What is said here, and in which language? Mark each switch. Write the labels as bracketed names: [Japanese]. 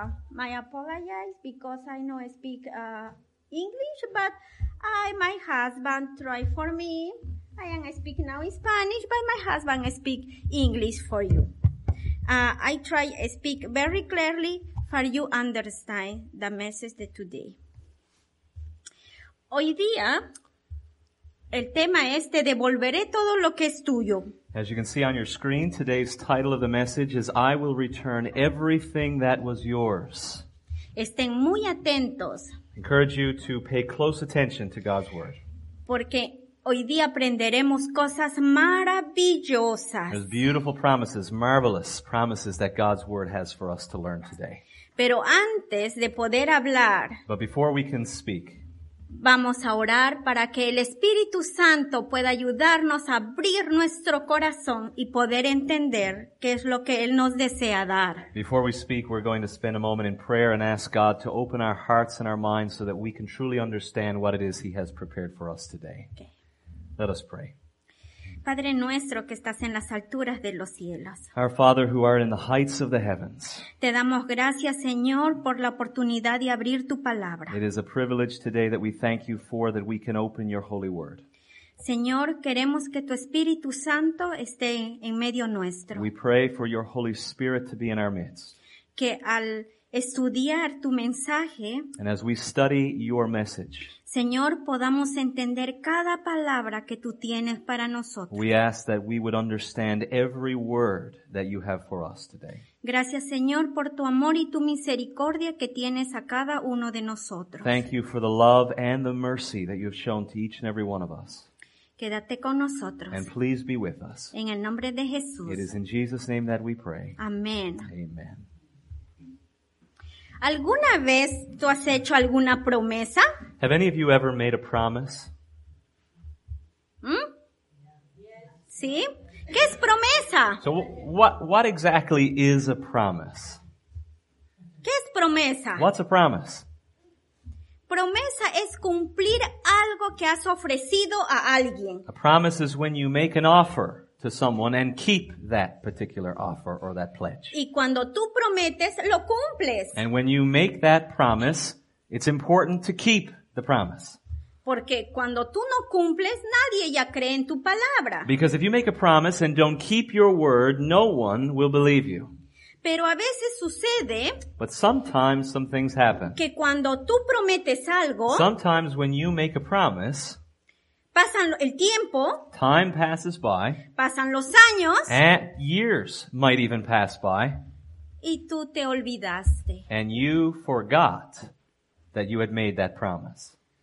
[English] my apologies because I no speak English, but my husband try for me. I am speak now Spanish, but my husband speak English for you. I try speak very clearly for you understand the message de today. [Spanish] Hoy día, el tema es te devolveré todo lo que es tuyo. [English] As you can see on your screen, today's title of the message is I will return everything that was yours. [Spanish] Estén muy atentos. [English] I encourage you to pay close attention to God's word. [Spanish] Porque hoy día aprenderemos cosas maravillosas. [English] There's beautiful promises, marvelous promises that God's word has for us to learn today. [Spanish] Pero antes de poder hablar, [English] but before we can speak, [Spanish] vamos a orar para que el Espíritu Santo pueda ayudarnos a abrir nuestro corazón y poder entender qué es lo que Él nos desea dar. [English] Before we speak, we're going to spend a moment in prayer and ask God to open our hearts and our minds so that we can truly understand what it is He has prepared for us today. Okay. Let us pray. [Spanish] Padre nuestro que estás en las alturas de los cielos. [English] Our Father who art in the heights of the heavens. [Spanish] Te damos gracias, Señor, por la oportunidad de abrir tu palabra. [English] It is a privilege today that we thank you for that we can open your holy word. [Spanish] Señor, queremos que tu Espíritu Santo esté en medio nuestro. [English] We pray for your Holy Spirit to be in our midst. [Spanish] Que al estudiar tu mensaje, [English] and as we study your message, [Spanish] Señor, podamos entender cada palabra que tú tienes para nosotros. [English] We ask that we would understand every word that you have for us today. [Spanish] Gracias, Señor, por tu amor y tu misericordia que tienes a cada uno de nosotros. [English] Thank you for the love and the mercy that you have shown to each and every one of us. [Spanish] Quédate con nosotros. [English] And please be with us. [Spanish] En el nombre de Jesús. [English] It is in Jesus' name that we pray. [Spanish] Amén. [English] Amen. [Spanish] ¿Alguna vez tú has hecho alguna promesa? [English] Have any of you ever made a promise? [Spanish] ¿Sí? ¿Qué es promesa? [English] So what exactly is a promise? [Spanish] ¿Qué es promesa? [English] What's a promise? [Spanish] Promesa es cumplir algo que has ofrecido a alguien. [English] A promise is when you make an offer to someone and keep that particular offer or that pledge. [Spanish] Y cuando tú prometes, lo cumples. [English] And when you make that promise, it's important to keep the promise. [Spanish] Porque cuando tú no cumples, nadie ya cree en tu palabra. [English] Because if you make a promise and don't keep your word, no one will believe you. [Spanish] Pero a veces sucede, [English] but sometimes some things happen, [Spanish] que cuando tú prometes algo, [English] sometimes when you make a promise, [Spanish] pasan el tiempo, [English] time passes by, [Spanish] pasan los años, [English] and years might even pass by, [Spanish] y tú te olvidaste, [English] and you forgot that you had made that promise.